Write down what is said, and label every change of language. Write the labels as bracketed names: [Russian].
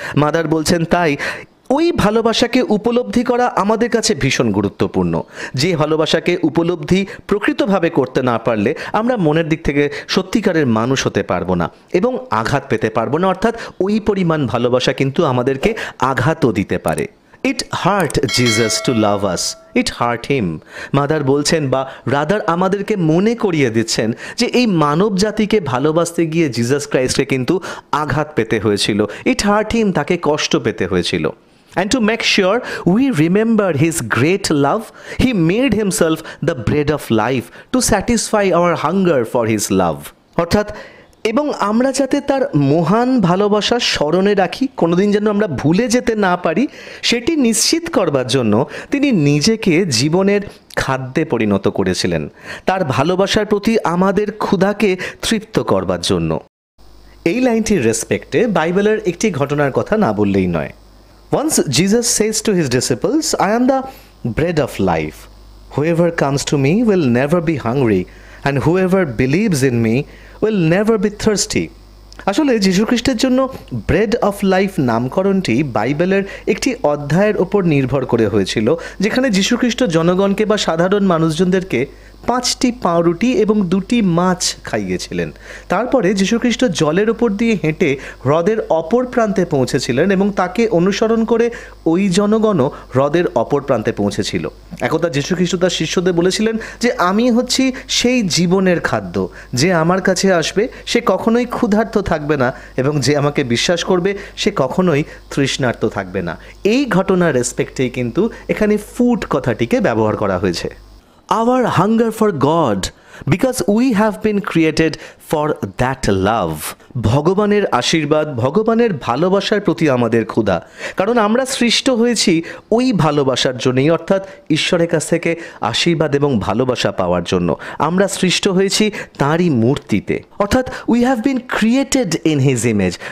[Bangla] Mother বলছেন তাই ওই ভালোবাসাকে উপলব্ধি করা আমাদের কাছে ভীষণ গুরুত্বপূর্ণ, যে ভালোবাসাকে উপলব্ধি প্রকৃতভাবে করতে না পারলে আমরা মনের দিক থেকে সত্যিকারের মানুষ হতে পারবো না এবং আঘাত পেতে পারবো না, অর্থাৎ ওই পরিমাণ ভালোবাসা কিন্তু আমাদেরকে আঘাতও দিতে পারে। [English] It hurt Jesus to love us. It hurt him. [Bangla] Mother বলছেন বা রাদার আমাদেরকে মনে করিয়ে দিচ্ছেন যে এই মানব জাতিকে ভালোবাসতে গিয়ে জিজাস ক্রাইস্টকে কিন্তু আঘাত পেতে হয়েছিল। [English] It hurt him, [Bangla] তাকে কষ্ট পেতে হয়েছিল। [English] And to make sure we remember his great love, he made himself the bread of life to satisfy our hunger for his love. [Bangla] অর্থাৎ এবং আমরা যাতে তার মহান ভালোবাসা স্মরণে রাখি, কোনোদিন যেন আমরা ভুলে যেতে না পারি, সেটি নিশ্চিত করবার জন্য তিনি নিজেকে জীবনের খাদ্যে পরিণত করেছিলেন, তার ভালোবাসার প্রতি আমাদের ক্ষুধাকে তৃপ্ত করবার জন্য। এই লাইনটির রেসপেক্টে বাইবেলের একটি ঘটনার কথা না বললেই নয়। [English] Once Jesus says to his disciples, I am the bread of life. Whoever comes to me will never be hungry, and whoever believes in me will never be thirsty. [Bangla] আসলে যীশু খ্রিস্টের জন্য ব্রেড অফ লাইফ নামকরণটি বাইবেলের একটি অধ্যায়ের উপর নির্ভর করে হয়েছিল, যেখানে যীশু খ্রিস্ট জনগণকে বা সাধারণ মানুষজনদেরকে 5টি পাউরুটি এবং 2টি মাছ খাইয়েছিলেন। তারপরে যীশু খ্রিস্ট জলের উপর দিয়ে হেঁটে হ্রদের অপর প্রান্তে পৌঁছেছিলেন এবং তাকে অনুসরণ করে ওই জনগণও হ্রদের অপর প্রান্তে পৌঁছেছিল। একদা যীশু খ্রিস্ট তার শিষ্যদের বলেছিলেন যে আমি হচ্ছি সেই জীবনের খাদ্য, যে আমার কাছে আসবে সে কখনোই ক্ষুধার্ত থাকবে না এবং যে আমাকে বিশ্বাস করবে সে কখনোই তৃষ্ণার্ত থাকবে না। এই ঘটনার রেসপেক্টেই কিন্তু এখানে ফুড কথাটিকে ব্যবহার করা হয়েছে। [English] Our hunger for God, because we have been created for that love. [Bangla] ভগবানের আশীর্বাদ, ভগবানের ভালোবাসার প্রতি আমাদের ক্ষুধা, কারণ আমরা সৃষ্ট হয়েছি ওই ভালোবাসার জন্যই, অর্থাৎ ঈশ্বরের কাছ থেকে আশীর্বাদ এবং ভালোবাসা পাওয়ার জন্য আমরা সৃষ্ট হয়েছি তাঁরই মূর্তিতে। অর্থাৎ [English] we have been created in his image,